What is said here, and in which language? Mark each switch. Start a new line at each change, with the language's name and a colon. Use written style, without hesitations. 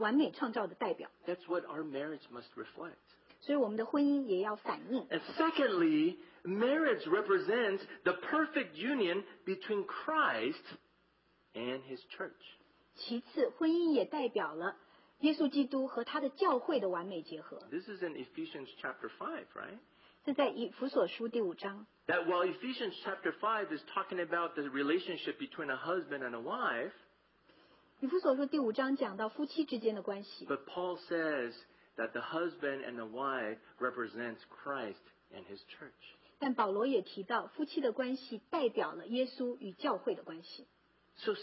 Chinese: 神在创世的时候造男造女，让他们进入婚姻，所以这是神完美创造的代表。
English: That's what our marriage must reflect.
Chinese: 所以我们的婚姻也要反映。
English: And secondly, marriage represents the perfect union between Christ and His church.
Chinese: 其次，婚姻也代表了耶稣基督和他的教会的完美结合。
English: This is in Ephesians chapter 5, right?
Chinese: 是在以弗所书第五章。
English: That while Ephesians chapter 5 is talking about the relationship between a husband and a wife,
Chinese: 以弗所书第五章讲到夫妻之间的关系。
English: But Paul says that the husband and the wife represents Christ and His church.
Chinese: 但保罗也提到，夫妻的关系代表了耶稣与教会的关系。
English: So